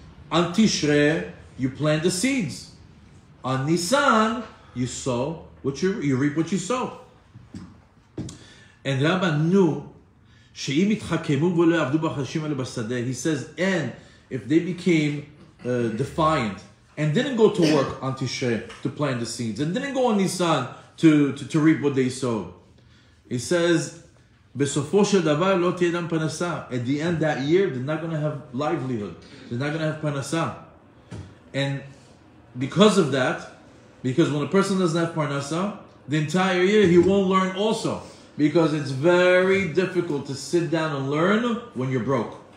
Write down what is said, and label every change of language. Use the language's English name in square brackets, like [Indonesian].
[English] On Tishrei, you plant the seeds. On Nisan, you sow what you reap what you sow. And Rabbi knew [Hebrew] שאם יתחכמו ולא יעבדו בחדשים האלה בשדה, [English] he says, and if they became defiant and didn't go to work on Tishrei to plant the seeds and didn't go on Nisan to reap what they sowed. He says, [Hebrew] בסופו של דבר לא תהיה להם פנסה. [English] At the end that year, they're not going to have livelihood. They're not going to have פנסה. And because of that, because when a person doesn't have parnasa, the entire year he won't learn also. Because it's very difficult to sit down and learn when you're broke.